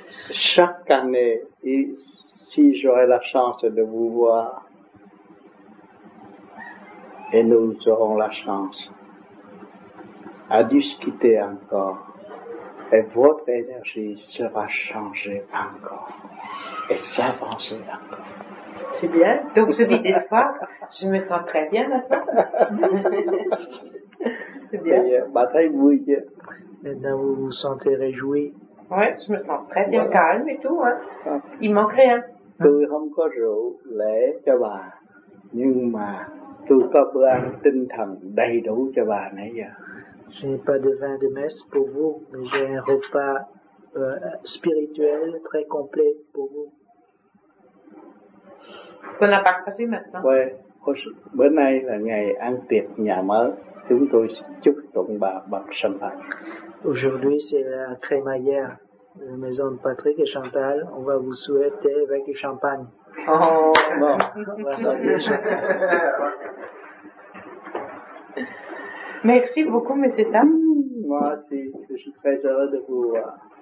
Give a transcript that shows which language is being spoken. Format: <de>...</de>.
<fr>Chaque année, si j'aurai la chance de vous voir, et nous aurons la chance à discuter encore, et votre énergie sera changée encore et s'avancer encore. C'est bien. Donc je vis d'espoir. Je me sens très bien maintenant. C'est bien. Bataille bouillie. Maintenant vous vous sentez réjoui. Oui, je me sens très bien, voilà. Calme et tout. Hein. Il manque rien.</fr> <vi>Tôi không có rượu lễ cho bà, nhưng mà tôi có bữa ăn tinh thần đầy đủ cho bà nãy giờ.</vi> <fr>Je n'ai pas de vin de messe pour vous, mais j'ai un repas spirituel très complet pour vous. Qu'on a partagé maintenant. Ouais.</fr> <vi>Bữa nay là ngày ăn tiệc nhà mới, chúng tôi chúc tụng bà bằng sâm hạt.</vi> <fr>Aujourd'hui c'est la crémaillère de la maison de Patrick et Chantal. On va vous souhaiter avec du champagne. Oh, bon, on va sortir le champagne. Merci beaucoup, monsieur Tam. Moi aussi, je suis très heureux de vous voir.</fr>